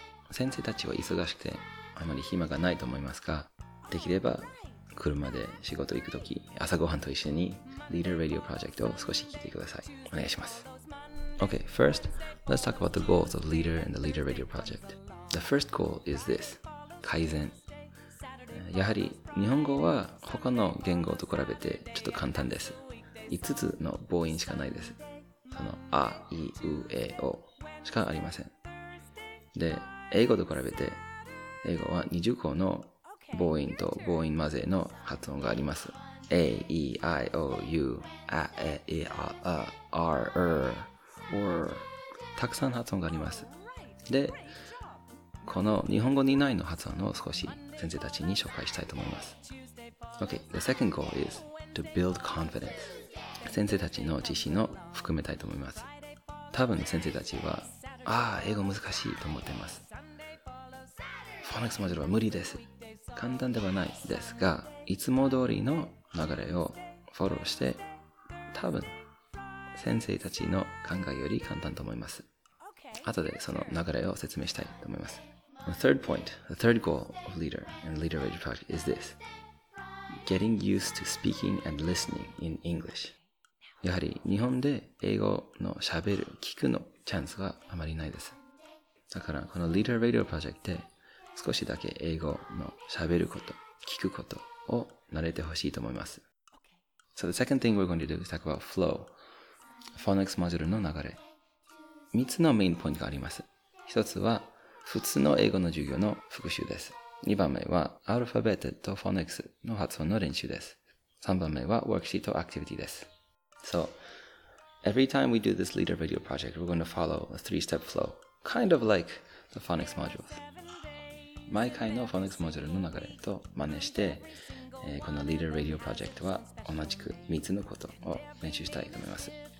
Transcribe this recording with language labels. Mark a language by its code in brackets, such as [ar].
[ja] 先生たちは忙しくてあまり暇がないと思いますが、できれば車で仕事行くとき、朝ごはんと一緒に Leader Radio Project を少し聞いてください。お願いします。 [en] Okay, first, let's talk about the goals of Leader and the Leader Radio Project. The first goal is this, 改善。 [ja] やはり日本語は他の言語と比べてちょっと簡単です。 5つの母音しかないです。そのあ、い、う、え、おしかありません。で、英語と比べて、英語は20個の母音と母音混ぜの発音があります。 a, e, i, o, u, a, e, a, a, r, r, or たくさん発音があります。で、この日本語にないの発音を少し先生たちに紹介したいと思います。 [en] Okay, the second goal is to build confidence. [ja] 先生たちの自信を含めたいと思います。多分先生たちは、ああ、英語難しいと思っています。 Phonics module は無理です。簡単ではないですが、いつも通りの流れをフォローして、多分先生たちの考えより簡単と思います。後でその流れを説明したいと思います。 [en] The third point, the third goal of Leader and Leader Radio Project is this. Getting used to speaking and listening in English. [ja] やはり日本で英語の喋る、聞くのチャンスがあまりないです。だからこの Leader Radio Project で少しだけ英語の喋ること、聞くことを慣れてほしいと思います。 [en] So the second thing we're going to do is talk about flow. [ja] Phonics module の流れ。 3つのメインポイントがあります。1つは普通の英語の授業の復習です。 2番目はアルファベットとフォニックスの発音の練習です。 3番目はワークシートアクティビティです。 [en] So, every time we do this Leader Radio Project, we're going to follow a three-step flow, kind of like the phonics modules. [ja] 毎回のフォニックスモジュールの流れと真似して、この Leader Radio Project は同じく3つのことを練習したいと思います。